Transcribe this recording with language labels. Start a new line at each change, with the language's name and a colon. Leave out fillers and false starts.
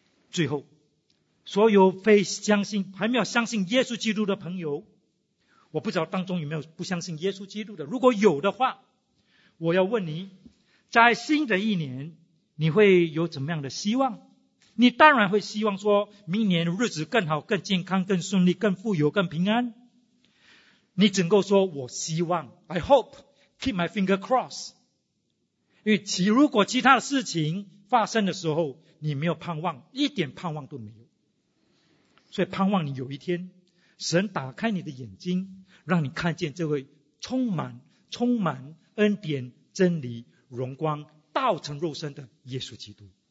Chinese: 最后，所有非相信、还没有相信耶稣基督的朋友，我不知道当中有没有不相信耶稣基督的，如果有的话，我要问你，在新的一年你会有怎么样的希望？你当然会希望说明年日子更好、更健康、更顺利、更富有、更平安。你只能够说我希望，
English: I hope, keep my finger crossed。
Chinese: 因为如果其他的事情发生的时候你没有盼望，一点盼望都没有。所以盼望你有一天神打开你的眼睛，让你看见这位充满恩典、真理、荣光、道成肉身的耶稣基督。